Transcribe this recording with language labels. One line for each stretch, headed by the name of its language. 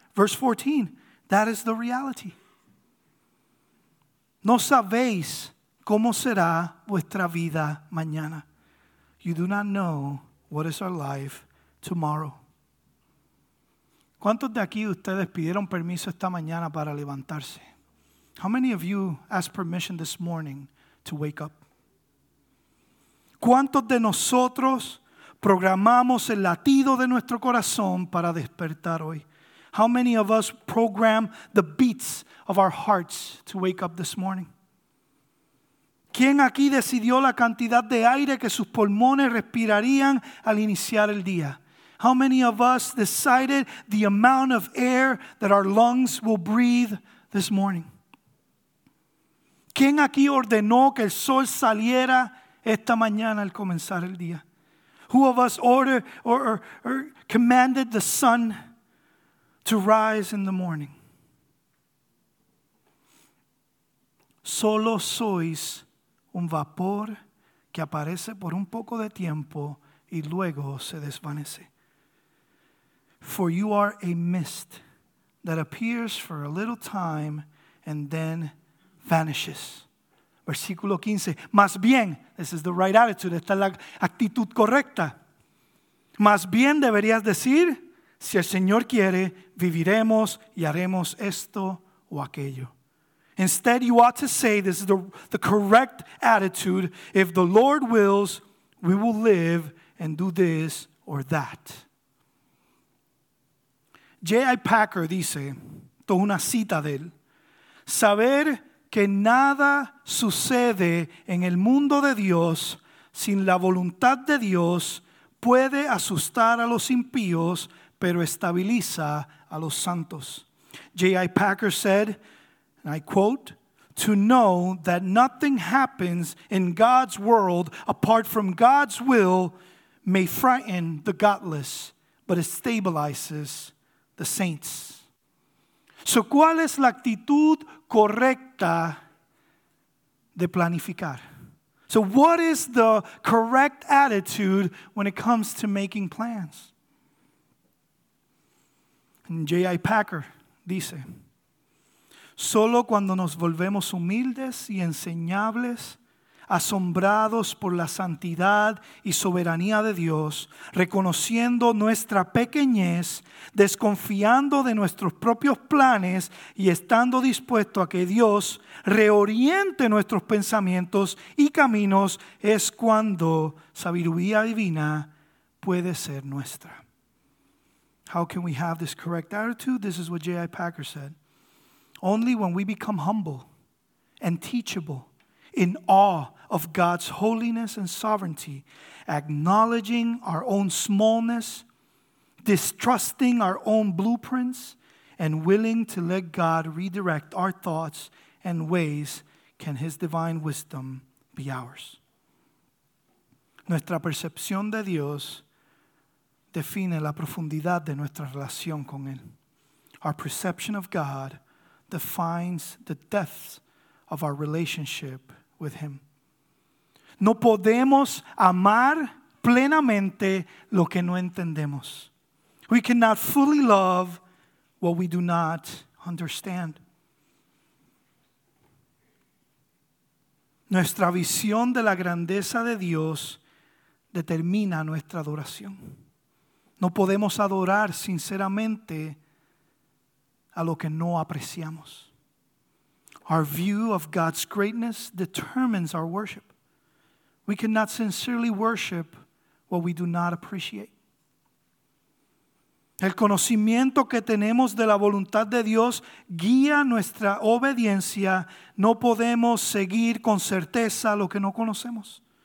English: Verse 14, that is the reality.
Spanish: No sabéis cómo será vuestra vida mañana.
English: You do not know what is our life tomorrow.
Spanish: ¿Cuántos de aquí ustedes pidieron permiso esta mañana para levantarse?
English: How many of you asked permission this morning to wake up?
Spanish: ¿Cuántos de nosotros programamos el latido de nuestro corazón para despertar hoy?
English: How many of us program the beats of our hearts to wake up this morning?
Spanish: ¿Quién aquí decidió la cantidad de aire que sus pulmones respirarían al iniciar el día?
English: How many of us decided the amount of air that our lungs will breathe this morning?
Spanish: ¿Quién aquí ordenó que el sol saliera esta mañana al comenzar el día?
English: Who of us ordered or commanded the sun to rise in the morning?
Spanish: Solo sois un vapor que aparece por un poco de tiempo y luego se desvanece.
English: For you are a mist that appears for a little time and then vanishes.
Spanish: Versículo 15. Más bien,
English: this is the right attitude,
Spanish: esta es la actitud correcta. Más bien deberías decir, si el Señor quiere, viviremos y haremos esto o aquello.
English: Instead, you ought to say, this is the correct attitude, if the Lord wills, we will live and do this or that.
Spanish: J.I. Packer dice, esto es una cita de él, saber que nada sucede en el mundo de Dios sin la voluntad de Dios puede asustar a los impíos, pero estabiliza a los santos.
English: J.I. Packer said, and I quote, to know that nothing happens in God's world apart from God's will may frighten the godless, but it stabilizes the saints.
Spanish: So, ¿cuál es la actitud correcta de planificar?
English: So, what is the correct attitude when it comes to making plans?
Spanish: J.I. Packer dice, solo cuando nos volvemos humildes y enseñables, asombrados por la santidad y soberanía de Dios, reconociendo nuestra pequeñez, desconfiando de nuestros propios planes y estando dispuesto a que Dios reoriente nuestros pensamientos y caminos, es cuando sabiduría divina puede ser nuestra.
English: How can we have this correct attitude? This is what J.I. Packer said. Only when we become humble and teachable, in awe of God's holiness and sovereignty, acknowledging our own smallness, distrusting our own blueprints, and willing to let God redirect our thoughts and ways, can his divine wisdom be ours.
Spanish: Nuestra percepción de Dios define la profundidad de nuestra relación con él.
English: Our perception of God defines the depth of our relationship with him.
Spanish: No podemos amar plenamente lo que no entendemos.
English: We cannot fully love what we do not understand.
Spanish: Nuestra visión de la grandeza de Dios determina nuestra adoración. No podemos adorar sinceramente a lo que no apreciamos.
English: Our view of God's greatness determines our worship. We cannot sincerely worship what we do not appreciate.
Spanish: El conocimiento que tenemos de la voluntad de Dios guía nuestra obediencia. No podemos seguir con certeza lo que no conocemos.